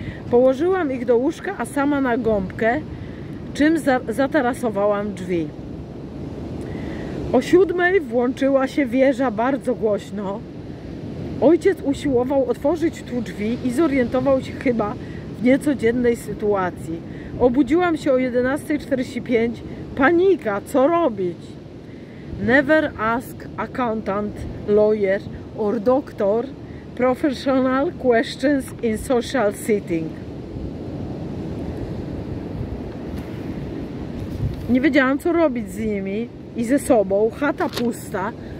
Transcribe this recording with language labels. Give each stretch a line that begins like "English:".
Polish: Położyłam ich do łóżka, a sama na gąbkę, czym zatarasowałam drzwi. O 7:00 włączyła się wieża bardzo głośno. Ojciec usiłował otworzyć tu drzwi i zorientował się chyba w niecodziennej sytuacji. Obudziłam się o 11:45. Panika, co robić?
English: Never ask accountant, lawyer or doctor professional questions in social setting.
Polish: Nie wiedziałam, co robić z nimi i ze sobą. Chata pusta.